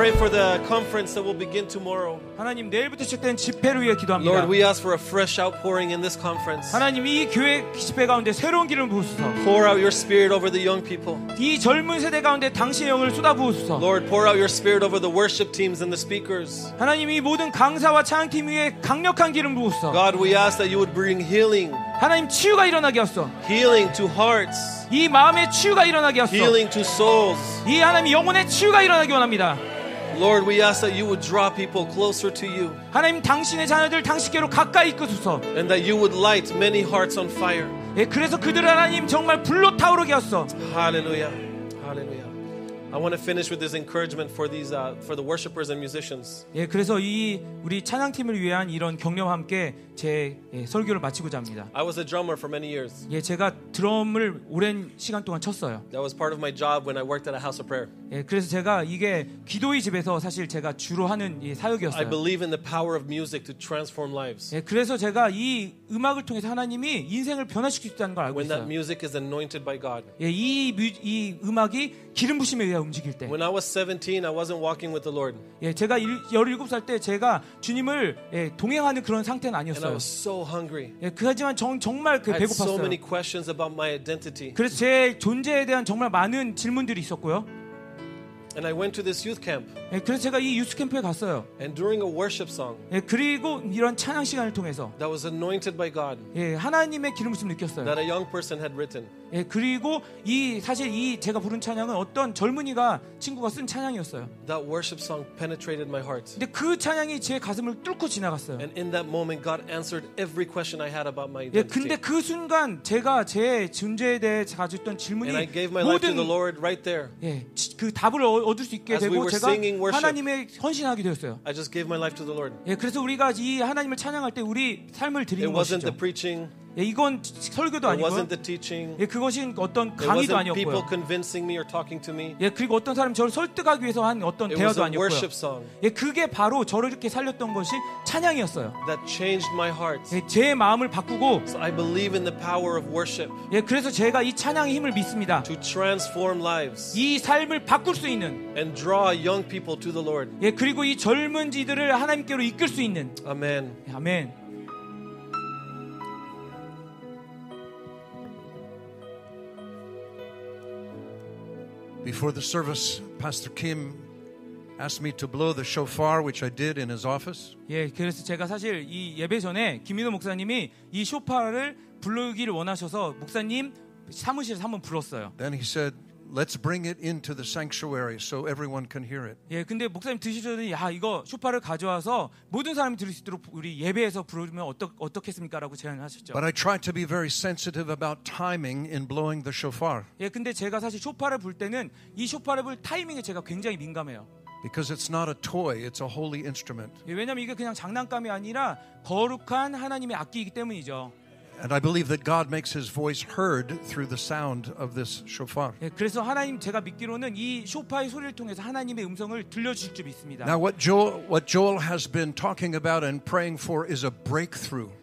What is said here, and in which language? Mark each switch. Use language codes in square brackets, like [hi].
[en] the conference that will begin tomorrow. [ko] 하나님 내일부터 시작되는 집회를 위해 기도합니다. [en] Lord, we ask for a fresh outpouring in this conference. [ko] 하나님 이 교회 집회 가운데 새로운 기름 부으소서. [en] Pour out your spirit over the young people. [ko] 이 젊은 세대 가운데 당신의 영을 쏟아 부으소서. [en] Lord, pour out your spirit over the worship teams and the speakers. [ko] 하나님 이 모든 강사와 찬양팀 위에 강력한 기름 부으소서. [en] God, we ask that you would bring healing. [ko] 하나님 치유가 일어나게 하소서. [en] Healing to hearts. [ko] 이 마음의 치유가 일어나게 하소서. [en] Healing to souls. [ko] 이 하나님 영혼의 치유가 일어나기 원합니다. [en] Lord, we ask that you would draw people closer to you. [ko] 하나님 당신의 자녀들 당신께로 가까이 이끄소서. [en] And that you would light many hearts on fire. [ko] 예, 그래서 그들 하나님 정말 불로 타오르게 하소서. [en] Hallelujah. Hallelujah. I want to finish with this encouragement for these for the worshipers and musicians. [ko] 예, 그래서 이 우리 찬양팀을 위한 이런 격려와 함께 제 예, 설교를 마치고자 합니다. [en] I was a drummer for many years. [ko] 예, 제가 드럼을 오랜 시간 동안 쳤어요. [en] That was part of my job when I worked at a house of prayer. [ko] 예, 그래서 제가 이게 기도의 집에서 사실 제가 주로 하는 예, 사역이었어요. [en] I believe in the power of music to transform lives. [ko] 예, 그래서 제가 이 음악을 통해서 하나님이 인생을 변화시킬 수 있다는 걸 알고 [en] when [ko] 있어요. [en] When that music is anointed by God. [ko] 예, 이 음악이 기름 부심에 의해 움직일 때. [en] When I was 17, I wasn't walking with the Lord. [ko] 예, 제가 17살 때 제가 주님을 예, 동행하는 그런 상태는 아니었어요. [en] And I was so hungry. [ko] 예, 하지만 정말 그 배고팠어요. [en] I had so many questions about my identity. [ko] 그래서 제 존재에 대한 정말 많은 질문들이 있었고요. [en] And I went to this youth camp. [ko] 예, 그래서 제가 이 유스 캠프에 갔어요. [en] And during a worship song. [ko] 예, 그리고 이런 찬양 시간을 통해서. [en] That was anointed by God. [ko] 예, 하나님의 기름 부음 느꼈어요. [en] That a young person had written. [ko] 예, 그리고 이 사실 이 제가 부른 찬양은 어떤 젊은이가 친구가 쓴 찬양이었어요. [en] That worship song penetrated my heart. [ko] 근데 그 찬양이 제 가슴을 뚫고 지나갔어요. [en] And in that moment, God answered every question I had about my identity. [ko] 예, 근데 그 순간 제가 제 존재에 대해 가졌던 질문이 [en] And I gave my life [ko] 모든 [en] to the Lord right there. [ko] 예, 그 답을 얻을 수 있게 [en] As [ko] 되고 [en] we [ko] 제가 [en] worship, [ko] 하나님에 헌신하게 되었어요. [en] I just gave my life to the Lord. [ko] 예, 그래서 우리가 이 하나님을 찬양할 때 우리 삶을 드리는 [en] It wasn't The preaching. [ko] 예, 이건 설교도 아니고요. [en] It wasn't the teaching. [ko] 예, 그것은 어떤 강의도 아니었고요. [en] People convincing me or talking to me. [ko] 예, 그리고 어떤 사람 저를 설득하기 위해서 한 어떤 [en] It [ko] 대화도 [en] was a [ko] 아니었고요. [en] Worship song. [ko] 예, 그게 바로 저를 이렇게 살렸던 것이 찬양이었어요. [en] That changed my heart. [ko] 예, 제 마음을 바꾸고 [en] so I believe in the power of worship. [ko] 예, 그래서 제가 이 찬양의 힘을 믿습니다. [en] To transform lives. [ko] 이 삶을 바꿀 수 있는 [en] and draw young people to the Lord. [ko] 예, 그리고 이 젊은 이들을 하나님께로 이끌 수 있는 아멘. 예, 아멘. [en] Before the service, Pastor Kim asked me to blow the shofar, which I did in his office. [ko] 예, 그래서 제가 사실 이 예배 전에 김민호 목사님이 이 쇼파를 불러주기를 원하셔서 목사님 사무실에 한번 불렀어요. [en] Then he said, "Let's bring it into the sanctuary so everyone can hear it." [ko] 예, 근데 목사님 드시더니 야 이거 쇼파를 가져와서 모든 사람이 들을 수 있도록 우리 예배에서 불러주면 어떻겠습니까라고 제안하셨죠. [en] But I tried to be very sensitive about timing in blowing the shofar. [ko] 예, 근데 제가 사실 쇼파를 불 때는 이 쇼파를 불 타이밍에 제가 굉장히 민감해요. [en] Because it's not a toy, it's a holy instrument. [ko] 예, 왜냐면 이게 그냥 장난감이 아니라 거룩한 하나님의 악기이기 때문이죠. [en] And I believe that God makes His voice heard through the sound of this shofar. [ko] 예, 그래서 하나님 제가 믿기로는 이 쇼파의 소리를 통해서 하나님의 음성을 들려주실 줄 믿습니다. [en] Now what Joel has been talking about and praying for is a breakthrough.